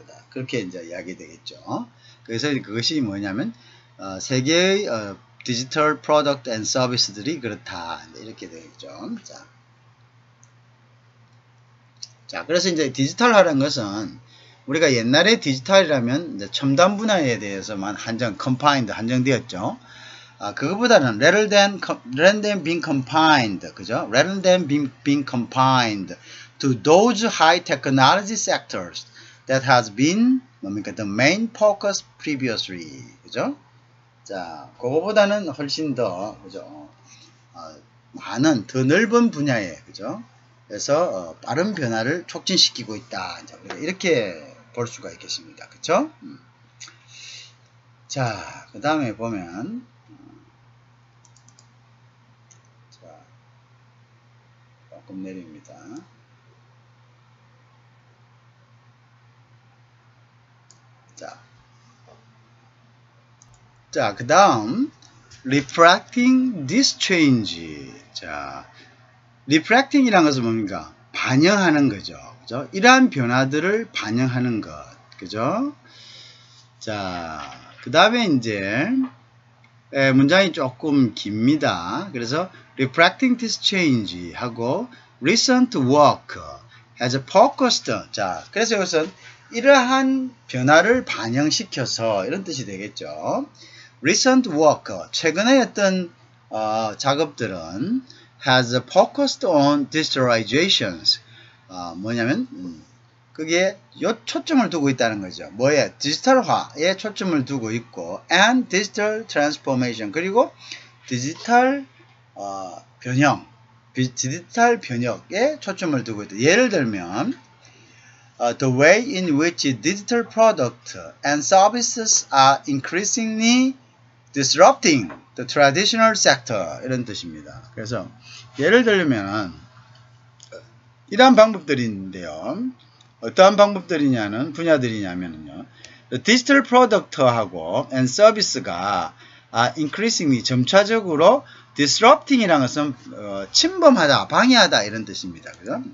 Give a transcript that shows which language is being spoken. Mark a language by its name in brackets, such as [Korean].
[Korean] 그렇게 이제 이야기 되겠죠. 그래서 그것이 뭐냐면, 세계의 디지털 프로덕트 앤 서비스들이 그렇다. 이렇게 되겠죠. 자. 자, 그래서 이제 디지털화라는 것은 우리가 옛날에 디지털이라면 이제 첨단 분야에 대해서만 한정되었죠. 아, 그것보다는 [English] rather than being confined to those high technology sectors that has been [Korean] 뭡니까? [English] The main focus previously. [Korean] 그죠? 자, 그거보다는 훨씬 더, 그죠? 많은 더 넓은 분야에, 그죠? 그래서 빠른 변화를 촉진시키고 있다. 이렇게 볼 수가 있겠습니다. 그렇죠? 자, 그 다음에 보면 자, 조금 내립니다. 자, 그 다음 [English] refracting this change. [Korean] 자, reflecting이란 것은 뭡니까? 반영하는 거죠. 그죠? 이러한 변화들을 반영하는 것. 그죠? 자, 그 다음에 이제, 문장이 조금 깁니다. 그래서, [English] reflecting this change 하고, recent work has focused. [Korean] 자, 그래서 이것은 이러한 변화를 반영시켜서, 이런 뜻이 되겠죠. [English] recent work, [Korean] 최근에 했던 작업들은, [English] has focused on digitalizations. [Korean] 뭐냐면, 그게 초점을 두고 있다는 거죠. 뭐에? 디지털화에 초점을 두고 있고, [English] and digital transformation. [Korean] 그리고 디지털 변형, 디지털 변혁에 초점을 두고 있다. 예를 들면 [English] the way in which digital products and services are increasingly disrupting the traditional sector [Korean] 이런 뜻입니다. 그래서 예를 들면 이러한 방법들인데요. 어떠한 방법들이냐는 분야들이냐면요. [English] The digital product하고 and service가 increasingly [Korean] 점차적으로 disrupting이라는 것은 침범하다, 방해하다 이런 뜻입니다. 그죠?